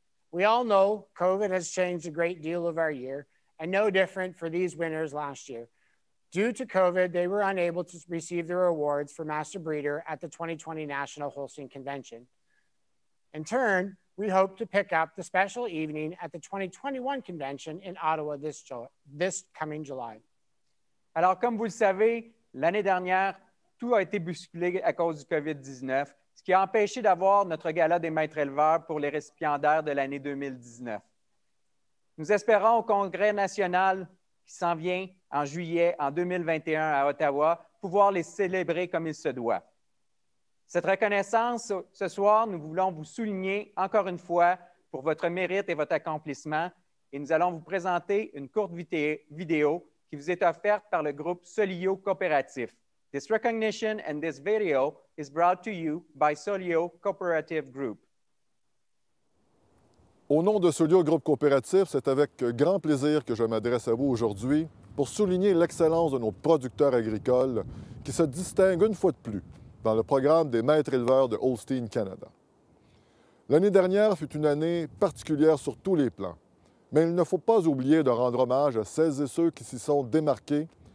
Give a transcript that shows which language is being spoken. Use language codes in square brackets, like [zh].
[en] We all know COVID has changed a great deal of our year, and no different for these winners last year. Due to COVID, they were unable to receive their awards for Master Breeder at the 2020 National Holstein Convention. In turn, we hope to pick up the special evening at the 2021 convention in Ottawa this coming July. [fr] Alors, comme vous le savez, l'année dernière, tout a été bousculé à cause du COVID-19, ce qui a empêché d'avoir notre gala des maîtres éleveurs pour les récipiendaires de l'année 2019. Nous espérons au Congrès national qui s'en vient en juillet en 2021 à Ottawa pouvoir les célébrer comme il se doit. Cette reconnaissance, ce soir, nous voulons vous souligner encore une fois pour votre mérite et votre accomplissement et nous allons vous présenter une courte vidéo qui vous est offerte par le groupe Solio Coopératif. [en] This recognition and this video is brought to you by Solio Cooperative Group. [fr] Au nom de Solio Groupe Coopératif, c'est avec grand plaisir que je m'adresse à vous aujourd'hui pour souligner l'excellence de nos producteurs agricoles qui se distinguent une fois de plus dans le programme des maîtres éleveurs de Holstein Canada. L'année dernière fut une année particulière sur tous les plans, mais il ne faut pas oublier de rendre hommage à celles et ceux qui s'y sont démarqués.